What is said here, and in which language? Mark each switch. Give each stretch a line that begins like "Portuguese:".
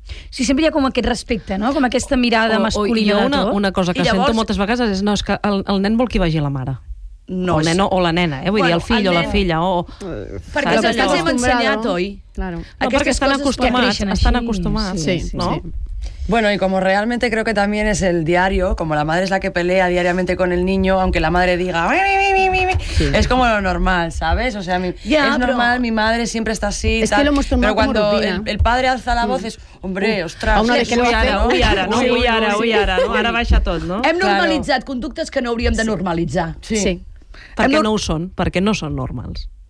Catalan: Sí, sempre hi ha com aquest respecte, no? Com aquesta mirada masculina. I hi ha una cosa que llavors sento moltes vegades és, no, és que el nen vol que hi vagi la mare. No, o el nen o la nena, eh? Vull dir, el fill el o la filla. Perquè se'ls hem ensenyat, oi?
Spanish: Claro.
Catalan: No, perquè estan acostumats. Estan acostumats, sí, no? Sí.
Spanish: Bueno, y como realmente creo que también es el diario, como la madre es la que pelea diariamente con el niño, aunque la madre diga sí, es como lo normal, ¿sabes? O sea, ya, es normal, mi madre siempre está así, es tal, que lo hemos tomado pero cuando como el padre alza la voz es, hombre, ostras,
Catalan: ara, ara, ara, ara, ara, no? Ara baixa tot, no? Hem normalitzat conductes que no hauríem de normalitzar. Sí. Perquè no ho són, perquè no són normals.